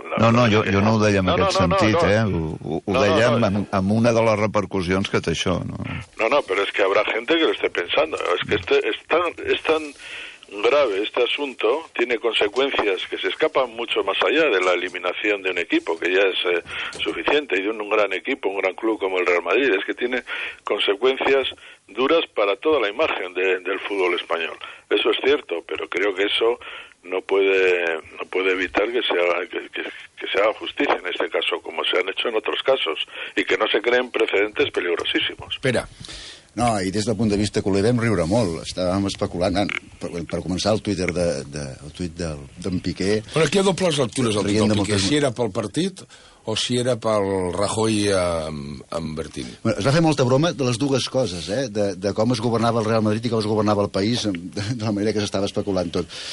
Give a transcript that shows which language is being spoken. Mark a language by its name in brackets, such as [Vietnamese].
[Catalan] Jo no ho deia en aquest sentit, eh? Ho deia amb una de les repercussions que té això, no? No, però és que [Spanish] habrá gente que lo esté pensando. Es que es tan grave este asunto, tiene consecuencias que se escapan mucho más allá de la eliminación de un equipo, que ya es suficiente, y de un gran equipo, un gran club como el Real Madrid. Es que tiene consecuencias duras para toda la imagen del fútbol español. Eso es cierto, pero creo que eso no puede evitar que se haga que se haga justicia en este caso, como se han hecho en otros casos, y que no se creen precedentes peligrosísimos. [Catalan] Espera. No, i des del punt de vista culer vam riure molt. Estàvem especulant, per començar, el Twitter el tuit d'en Piqué... Però aquí hi ha dobles lectures, el tuit d'en Piqué, si era pel partit o si era pel Rajoy amb Bertín. Bueno, es va fer molta broma de les dues coses, de com es governava el Real Madrid i com es governava el país, de la manera que s'estava especulant tot.